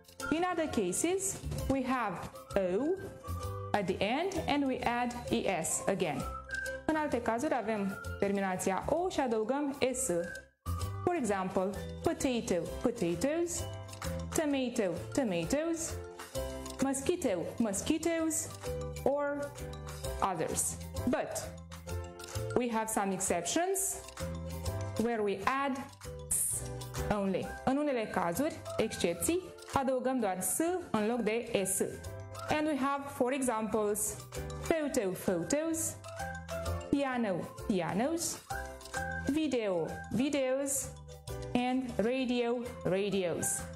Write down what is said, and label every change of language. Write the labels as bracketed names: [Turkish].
[English] In other cases, we have O at the end and we add ES again. [Romanian] În alte cazuri avem terminația O și adăugăm S. [English] For example, potato, potatoes, tomato, tomatoes, mosquito, mosquitoes, or others. But we have some exceptions where we add S only. [Romanian] În unele cazuri, excepții, adăugăm doar S în loc de S. [English] And we have four examples. Photo, photos. Piano, pianos. Video, videos. And radio, radios.